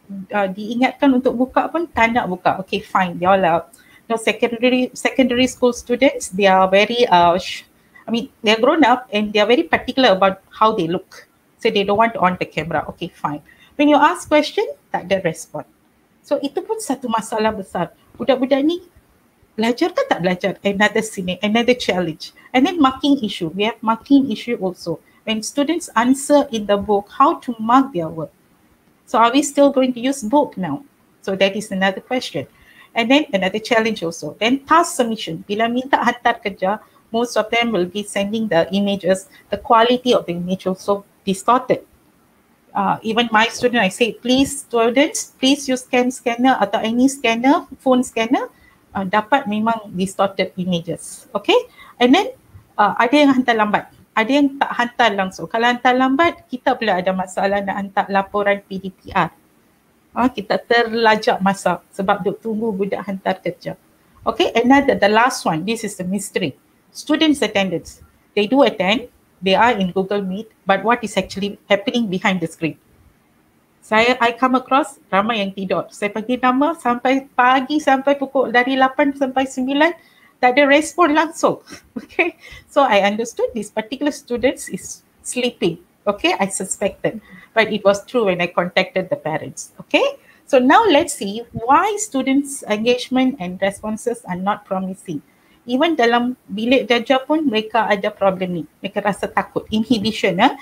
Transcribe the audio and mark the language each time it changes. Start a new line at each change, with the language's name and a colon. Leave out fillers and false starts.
Malay: Diingatkan untuk buka pun tak nak buka.
English: Okay, fine. You all are secondary school students. They are very, they are grown up and they are very particular about how they look. So they don't want on the camera. Okay, fine. When you ask question,
Malay: tak ada respond. So itu pun satu masalah besar. Budak-budak ni belajar ke tak belajar?
English: Another scene, another challenge. And then marking issue. We have marking issue also. When students answer in the book how to mark their work. So are we still going to use book now? So that is another question. And then another challenge also. Then task submission.
Malay: Bila minta hantar kerja,
English: most of them will be sending the images. The quality of the image also distorted. Even my student, I say, please students, please use CAM scanner atau any scanner, phone scanner.
Malay: Dapat memang distorted images. Okay? And then ada yang hantar lambat. Ada yang tak hantar langsung. Kalau hantar lambat, kita pula ada masalah nak hantar laporan PDPR. Kita terlajak masa sebab duk tunggu budak hantar kerja.
English: Okay, another, the last one. This is the mystery. Students' attendance. They do attend. They are in Google Meet. But what is actually happening behind the screen? I come across
Malay: ramai yang tidur. Saya panggil nama sampai pagi sampai pukul dari 8 sampai 9. Tak ada respon langsung.
English: Okay, so I understood this particular student is sleeping. Okay, I suspected. But it was true when I contacted the parents. Okay, so now let's see why students' engagement and responses are not promising.
Malay: Even dalam bilik darjah pun mereka ada problem ni. Mereka rasa takut. Inhibition.